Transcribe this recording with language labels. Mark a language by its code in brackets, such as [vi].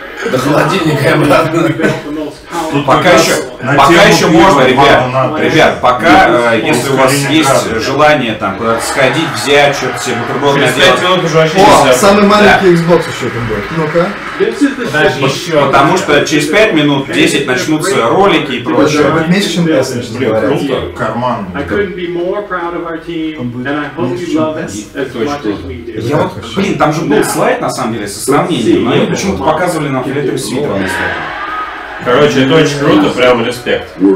[ru] До холодильника и обратно. Пока еще можно, ребят, пока, если у вас есть желание там куда-то сходить, взять что-то себе, бутерброды сделать. О, самый маленький Xbox еще там будет. Ну-ка. Потому что через 5 минут, 10 начнутся ролики и прочее. Это будет меньше, чем 5 минут, если говорить. Круто. Карман. [en] I couldn't be more proud of our team, and I hope you love us as much as we do. [ru] Я вот, блин, там же был слайд, на самом деле, со сравнением, но они почему-то показывали нам перед этим свитером. Короче, это очень круто, прям респект.